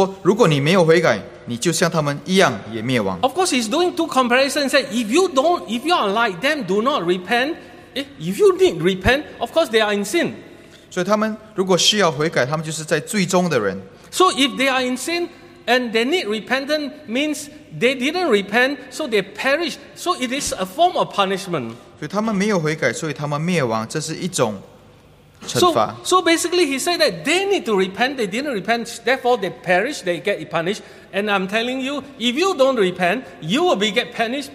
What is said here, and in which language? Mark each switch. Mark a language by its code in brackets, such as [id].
[zh] 那些死亡的人，耶稣用灭亡这个字来形容他们。然后耶稣说，如果你没有悔改，你就像他们一样也灭亡。 [en] Of course, he's doing two comparisons. Say, if you are like them, do not repent. If you need repent, of course they are in sin. [zh] 所以他们如果需要悔改，他们就是在罪中的人。 [en] So if they are in sin and they need repentance, means they didn't repent, so they perish. So it is a form of punishment. [zh] 所以他们没有悔改，所以他们灭亡，这是一种。 [en] So basically, he said that they need to repent. They didn't repent. Therefore, they perish. They get punished. And I'm telling you, if you don't repent, you will be get punished.